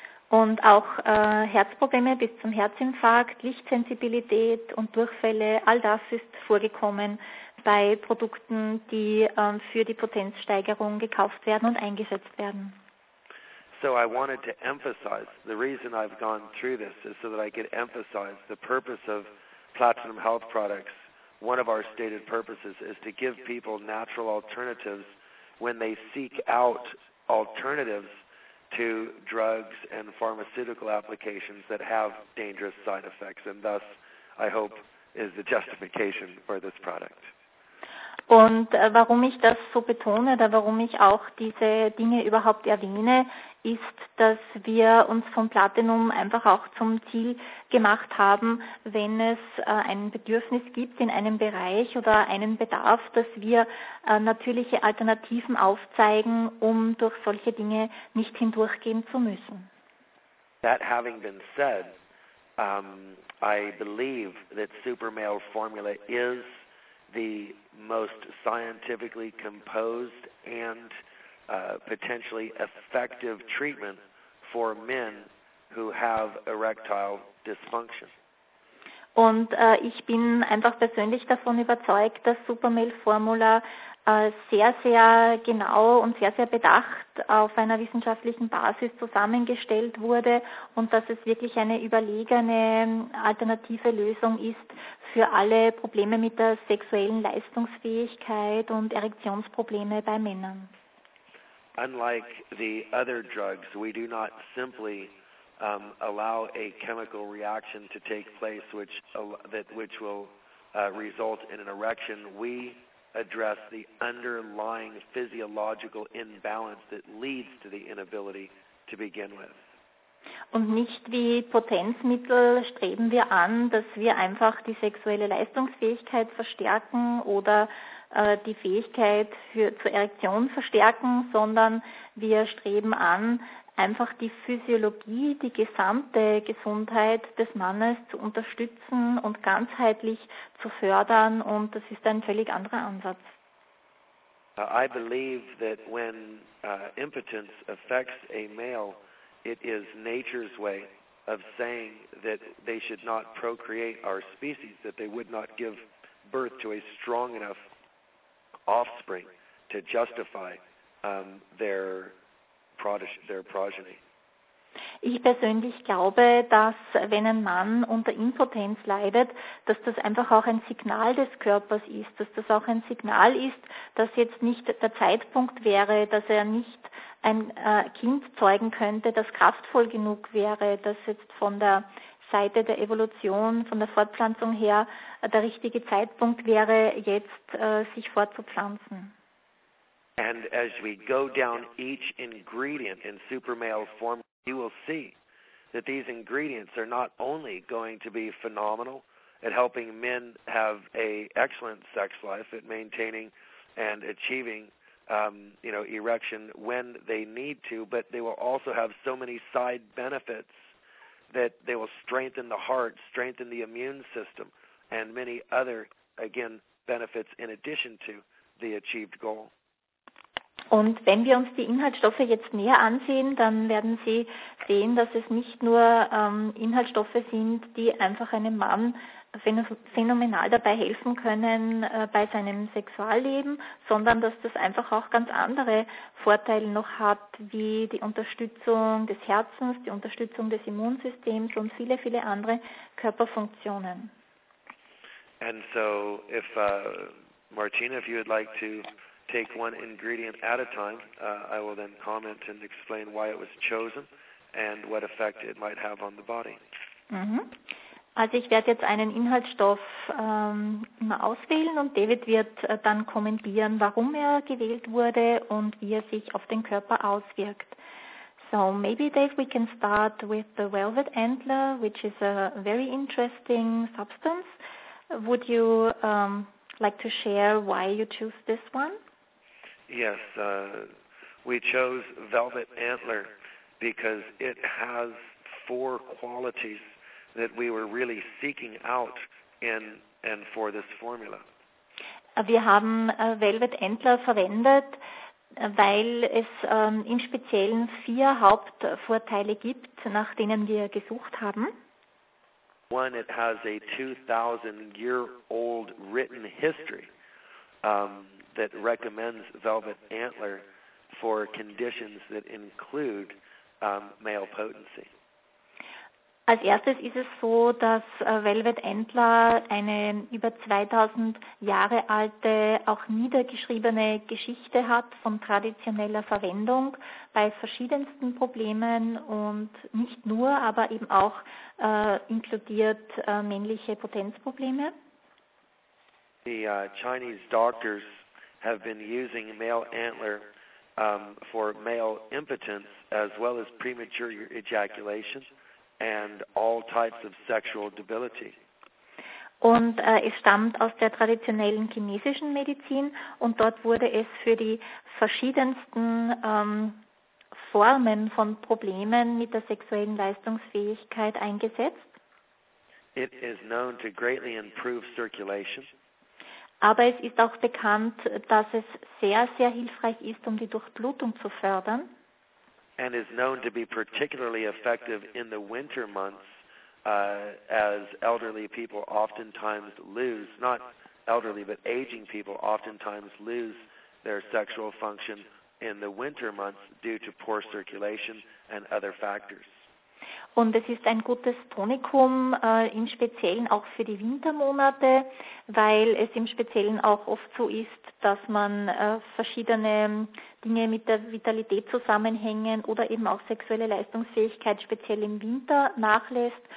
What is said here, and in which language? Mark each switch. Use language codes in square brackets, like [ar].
[de] Und auch Herzprobleme bis zum Herzinfarkt, Lichtsensibilität und Durchfälle, all das ist vorgekommen bei Produkten, die für die Potenzsteigerung gekauft werden und eingesetzt werden. [en] So I wanted to emphasize, the reason I've gone through this is so that I could emphasize the purpose of Platinum Health Products. One of our stated purposes is to give people natural alternatives when they seek out alternatives to drugs and pharmaceutical applications that have dangerous side effects, and thus, I hope, is the justification for this product. [de] Und warum ich das so betone oder warum ich auch diese Dinge überhaupt erwähne, ist, dass wir uns von Platinum einfach auch zum Ziel gemacht haben, wenn es ein Bedürfnis gibt in einem Bereich oder einen Bedarf, dass wir natürliche Alternativen aufzeigen, um durch solche Dinge nicht hindurchgehen zu müssen. [en] That having been said, I believe that Supermale Formula is the most scientifically composed and potentially effective treatment for men who have erectile dysfunction. [de] Und ich bin einfach persönlich davon überzeugt, dass Supermail Formula sehr, sehr genau und sehr, sehr bedacht auf einer wissenschaftlichen Basis zusammengestellt wurde und dass es wirklich eine überlegene alternative Lösung ist für alle Probleme mit der sexuellen Leistungsfähigkeit und Erektionsprobleme bei Männern. [en] Unlike the other drugs, we do not simply allow a chemical reaction to take place which will result in an erection. We address the underlying physiological imbalance that leads to the inability to begin with. [de] Und nicht wie Potenzmittel streben wir an, dass wir einfach die sexuelle Leistungsfähigkeit verstärken oder die Fähigkeit zur Erektion verstärken, sondern wir streben an, einfach die Physiologie, die gesamte Gesundheit des Mannes zu unterstützen und ganzheitlich zu fördern, und das ist ein völlig anderer Ansatz. [en] I believe that when impotence affects a male, it is nature's way of saying that they should not procreate our species, that they would not give birth to a strong enough offspring to justify their progeny. [de] Ich persönlich glaube, dass wenn ein Mann unter Impotenz leidet, dass das einfach auch ein Signal des Körpers ist, dass das auch ein Signal ist, dass jetzt nicht der Zeitpunkt wäre, dass er nicht ein Kind zeugen könnte, das kraftvoll genug wäre, das jetzt von der Seite der Evolution, von der Fortpflanzung her, der richtige Zeitpunkt wäre, jetzt sich fortzupflanzen. [en] And as we go down each ingredient in Supermail form, you will see that these ingredients are not only going to be phenomenal at helping men have a excellent sex life, at maintaining and achieving erection when they need to, but they will also have so many side benefits that they will strengthen the heart, strengthen the immune system, and many other, again, benefits in addition to the achieved goal. [de] Und wenn wir uns die Inhaltsstoffe jetzt näher ansehen, dann werden Sie sehen, dass es nicht nur Inhaltsstoffe sind, die einfach einem Mann phänomenal dabei helfen können bei seinem Sexualleben, sondern dass das einfach auch ganz andere Vorteile noch hat, wie die Unterstützung des Herzens, die Unterstützung des Immunsystems und viele, viele andere Körperfunktionen. [en] And so, if Martina, if you would like to take one ingredient at a time, I will then comment and explain why it was chosen and what effect it might have on the body. Mm-hmm. [de] Also ich werde jetzt einen Inhaltsstoff mal auswählen und David wird dann kommentieren, warum er gewählt wurde und wie er sich auf den Körper auswirkt. [en] So maybe, Dave, we can start with the velvet antler, which is a very interesting substance. Would you like to share why you choose this one? Yes, we chose velvet antler because it has four qualities that we were really seeking out in and for this formula. [de] Wir haben Velvet Antler verwendet, weil es im Speziellen vier Hauptvorteile gibt, nach denen wir gesucht haben. [en] One, it has a 2,000-year-old written history that recommends Velvet Antler for conditions that include male potency. [de] Als erstes ist es so, dass Velvet Antler eine über 2000 Jahre alte, auch niedergeschriebene Geschichte hat von traditioneller Verwendung bei verschiedensten Problemen und nicht nur, aber eben auch inkludiert männliche Potenzprobleme. [en] The Chinese doctors have been using male antler for male impotence as well as premature ejaculation and all types of sexual debility. [de] Und es stammt aus der traditionellen chinesischen Medizin und dort wurde es für die verschiedensten Formen von Problemen mit der sexuellen Leistungsfähigkeit eingesetzt. [en] It is known to greatly improve circulation. [de] Aber es ist auch bekannt, dass es sehr, sehr hilfreich ist, um die Durchblutung zu fördern. [en] And is known to be particularly effective in the winter months as elderly people oftentimes lose, not elderly, but aging people oftentimes lose their sexual function in the winter months due to poor circulation and other factors. [de] Und es ist ein gutes Tonikum im Speziellen auch für die Wintermonate, weil es im Speziellen auch oft so ist, dass man verschiedene Dinge mit der Vitalität zusammenhängen oder eben auch sexuelle Leistungsfähigkeit speziell im Winter nachlässt.